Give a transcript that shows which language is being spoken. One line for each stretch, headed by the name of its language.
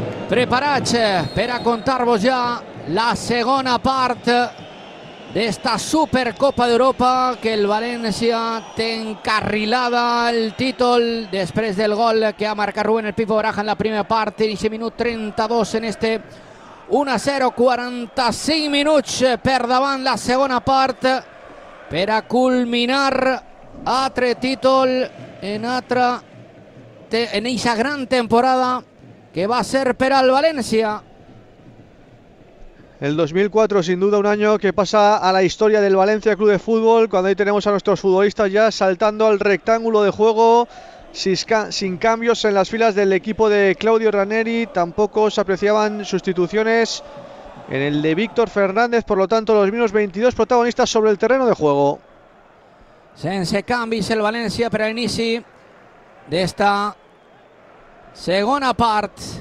Catalan: Preparats per a contar-vos ja la segona part d'esta Supercopa d'Europa, que el València té encarrilada el títol després del gol que ha marcat Rubén el Pipo Baraja en la primera part, en aquest minut 32 en este 1-0, 45 minuts per davant la segona part per a culminar altre títol en altra, en eixa gran temporada que va a ser per al València.
Spanish: El 2004, sin duda, un año que pasa a la historia del Valencia Club de Fútbol, cuando ahí tenemos a nuestros futbolistas ya saltando al rectángulo de juego, sin cambios en las filas del equipo de Claudio Ranieri, tampoco se apreciaban sustituciones en el de Víctor Fernández, por lo tanto los mismos 22 protagonistas sobre el terreno de juego.
Catalan: Sense canvis el València per a l'inici d'esta segona part.